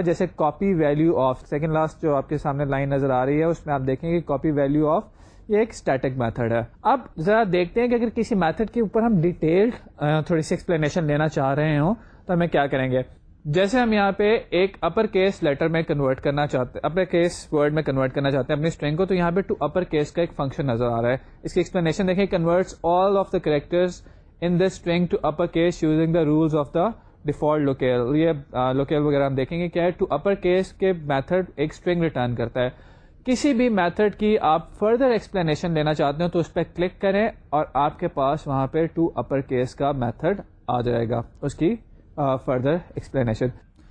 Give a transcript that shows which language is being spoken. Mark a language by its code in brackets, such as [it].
[ur] جیسے copy value of, second last جو آپ کے سامنے لائن نظر آ رہی ہے اس میں آپ دیکھیں گے کاپی ویلیو آف, یہ ایک اسٹیٹک میتھڈ ہے. اب ذرا دیکھتے ہیں کہ اگر کسی میتھڈ کے اوپر ہم ڈیٹیلڈ تھوڑی سی ایکسپلینیشن لینا چاہ رہے ہوں تو ہمیں کیا کریں گے. جیسے ہم یہاں پہ ایک اپر کیس لیٹر میں کنورٹ کرنا چاہتے ہیں, اپر کیس ورڈ میں کنورٹ کرنا چاہتے ہیں اپنی اسٹرنگ کو, تو یہاں پہ ٹو اپر کیس کا ایک فنکشن نظر آ رہا ہے. [en] اس کی ایکسپلینیشن دیکھیں, converts all of the characters in the string to upper case using the rules of the default locale. [ur] یہ لوکیل وغیرہ ہم دیکھیں گے کیا ہے. ٹو اپر کیس کے میتھڈ ایک اسٹرنگ ریٹرن کرتا ہے. کسی بھی میتھڈ کی آپ فردر ایکسپلینیشن لینا چاہتے ہیں تو اس پہ کلک کریں اور آپ کے پاس وہاں پہ ٹو اپر کیس کا میتھڈ آ جائے گا اس کی فردر ایکسپلینیشن.